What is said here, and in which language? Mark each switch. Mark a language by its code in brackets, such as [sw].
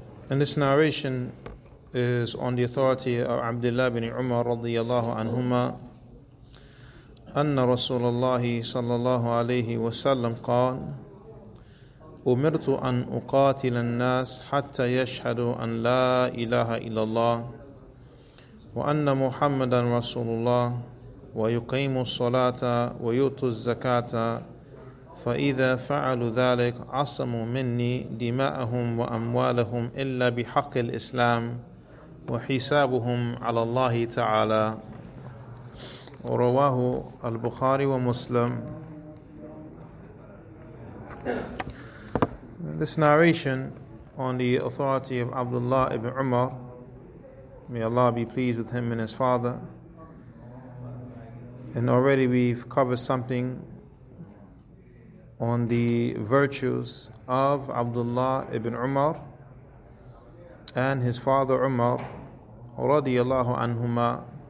[en] And this narration is on the authority of Abdullah ibn Umar radiyallahu anhuma. [ar] أن رسول الله صلى الله عليه وسلم قال أمرت أن أقاتل الناس حتى يشهدوا أن لا إله إلا الله وأن محمدا رسول الله ويقيم الصلاة ويؤتوا الزكاة فإذا فعلوا ذلك عصموا مني دماءهم وأموالهم إلا بحق الإسلام وحسابهم على الله تعالى رواه البخاري ومسلم. [en] This narration on the authority of Abdullah ibn Umar, may Allah be pleased with him and his father. And already we've covered something on the virtues of Abdullah ibn Umar and his father Umar radiyallahu anhuma.